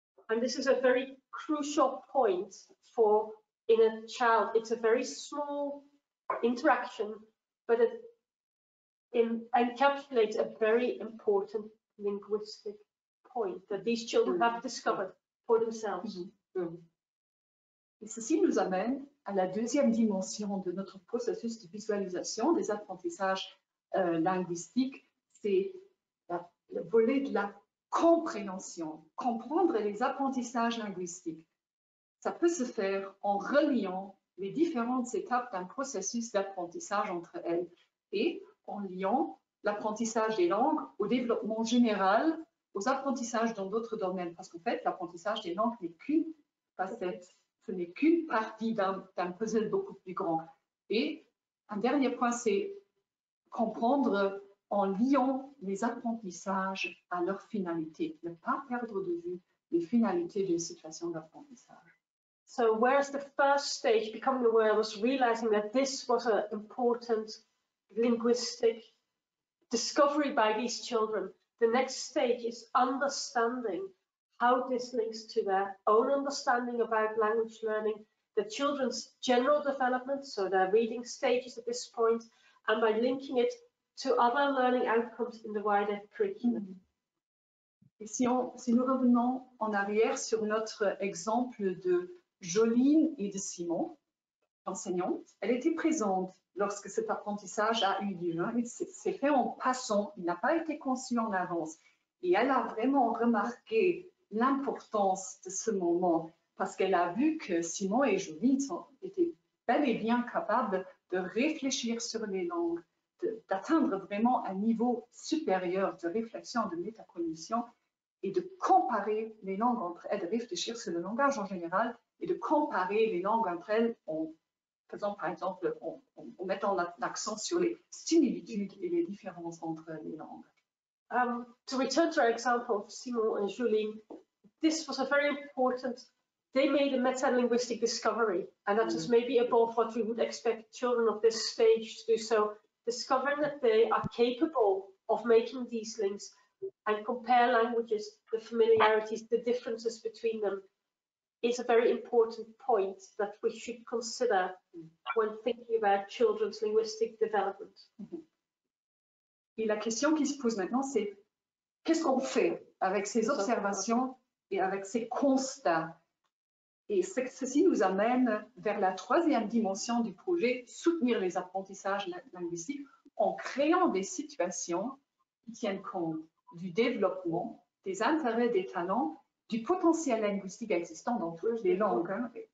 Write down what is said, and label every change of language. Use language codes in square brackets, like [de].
[en] And this is a very crucial point for in a child. It's a very small interaction, but it encapsulates a very important linguistic point that these children have discovered for themselves. [fr] Et ceci nous amène à la deuxième dimension de notre processus de visualisation des apprentissages linguistiques, c'est le volet de la compréhension, comprendre les apprentissages linguistiques. Ça peut se faire en reliant les différentes étapes d'un processus d'apprentissage entre elles et en liant l'apprentissage des langues au développement général, aux apprentissages dans d'autres domaines, parce qu'en fait, l'apprentissage des langues n'est qu'une facette. Ce n'est qu'une partie d'un puzzle beaucoup plus grand. Et un dernier point, c'est comprendre en liant les apprentissages à leur finalité. Ne pas perdre de vue les finalités d'une situation d'apprentissage. [en] So, whereas the first stage, becoming aware, was realizing that this was an important linguistic discovery by these children, the next stage is understanding how this links to their own understanding about language learning, the children's general development, so their reading stages at this point, and by linking it to other learning outcomes in the wider curriculum. [fr] Et si nous revenons en arrière sur notre exemple de Joline et de Simon, l'enseignante, elle était présente lorsque cet apprentissage a eu lieu. Hein. Il s'est fait en passant, il n'a pas été conçu en avance. Et elle a vraiment remarqué l'importance de ce moment, parce qu'elle a vu que Simon et Joline étaient bel et bien capables de réfléchir sur les langues, d'atteindre vraiment un niveau supérieur de réflexion, de métacognition, et de comparer les langues entre elles, de réfléchir sur le langage en général, et de comparer les langues entre elles en faisant, par exemple, en mettant l'accent sur les similitudes et les différences entre les langues. [en] To return to our example of Simon and Julien, this was a very important, they made a meta-linguistic discovery, and that is maybe above what we would expect children of this stage to do. So, discovering that they are capable of making these links and compare languages, the familiarities, the differences between them, is a very important point that we should consider when thinking about children's linguistic development. [fr] Et la question qui se pose maintenant, c'est qu'est-ce qu'on fait avec ces observations et avec ces constats? Et ceci nous amène vers la troisième dimension du projet, soutenir les apprentissages linguistiques en créant des situations qui tiennent compte du développement, des intérêts, des talents, du potentiel linguistique existant dans toutes les langues. Hein.